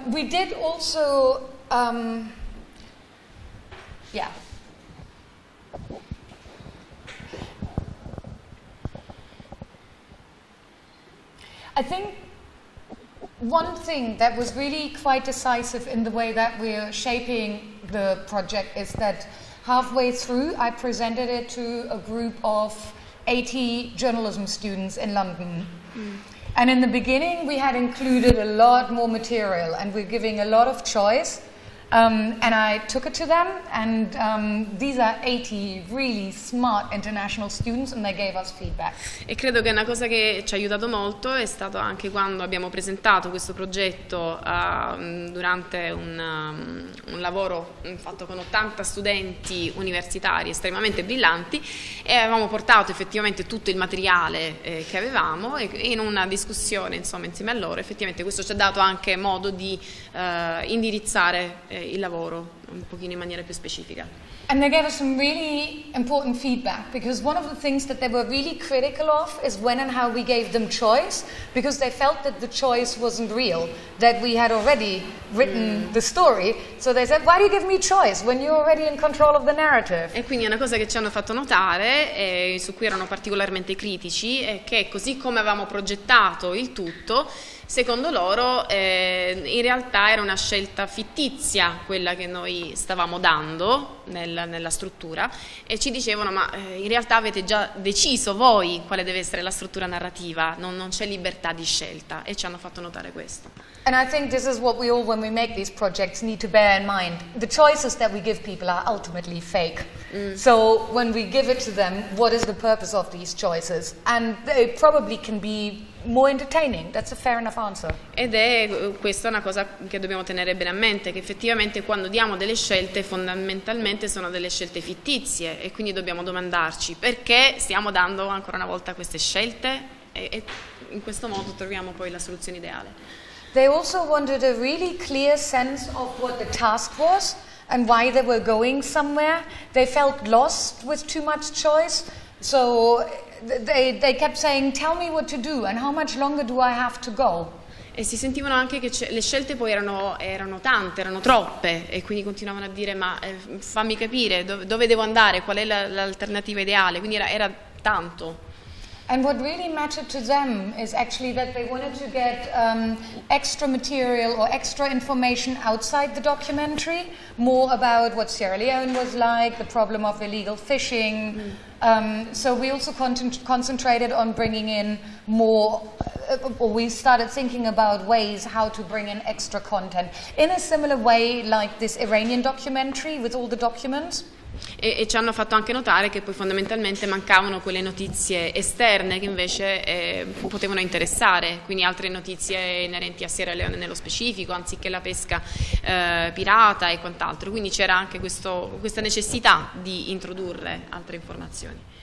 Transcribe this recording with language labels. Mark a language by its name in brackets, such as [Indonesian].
[English] We did also I think one thing that was really quite decisive in the way that we're shaping the project is that halfway through I presented it to a group of 80 journalism students in London. And in the beginning we had included a lot more material and we're giving a lot of choice. And I took it to them and these are 80 really smart international students and they gave us feedback. [Italian] E credo che una cosa che ci ha aiutato molto è stato anche quando abbiamo presentato questo progetto durante un lavoro fatto con 80 studenti universitari estremamente brillanti e avevamo portato effettivamente tutto il materiale che avevamo e in una discussione insomma insieme a loro effettivamente questo ci ha dato anche modo di indirizzare il lavoro un pochino in maniera più specifica. [English] And they gave us some really important feedback because one of the things that they were really critical of is when and how we gave them choice because they felt that the choice wasn't real, that we had already written the story. So they said, why do you give me choice when you're already in control of the narrative? [Italian] E quindi una cosa che ci hanno fatto notare e su cui erano particolarmente critici è che così come avevamo progettato il tutto, secondo loro in realtà era una scelta fittizia quella che noi stavamo dando nella struttura e ci dicevano ma in realtà avete già deciso voi quale deve essere la struttura narrativa, non c'è libertà di scelta e ci hanno fatto notare questo. [English] And I think this is what we all when we make these projects need to bear in mind. The choices that we give people are ultimately fake. So when we give it to them, what is the purpose of these choices? And they probably can be more entertaining. That's a fair enough answer. [Italian] Ed è questa una cosa che dobbiamo tenere bene a mente, che effettivamente quando diamo delle scelte fondamentalmente sono delle scelte fittizie e quindi dobbiamo domandarci perché stiamo dando ancora una volta queste scelte e in questo modo troviamo poi la soluzione ideale. [English] They also wanted a really clear sense of what the task was and why they were going somewhere. They felt lost with too much choice, so they kept saying, tell me what to do and how much longer do I have to go? [Italian] E si sentivano anche che le scelte poi erano tante, erano troppe, e quindi continuavano a dire, ma fammi capire, dove devo andare, qual è l'alternativa ideale, quindi era tanto. [English] And what really mattered to them is actually that they wanted to get extra material or extra information outside the documentary, more about what Sierra Leone was like, the problem of illegal fishing, So we also concentrated on bringing in more, or we started thinking about ways how to bring in extra content in a similar way like this Iranian documentary with all the documents. [Italian] E ci hanno fatto anche notare che poi fondamentalmente mancavano quelle notizie esterne che invece potevano interessare, quindi altre notizie inerenti a Sierra Leone nello specifico, anziché la pesca pirata e quant'altro. Quindi c'era anche questa necessità di introdurre altre informazioni.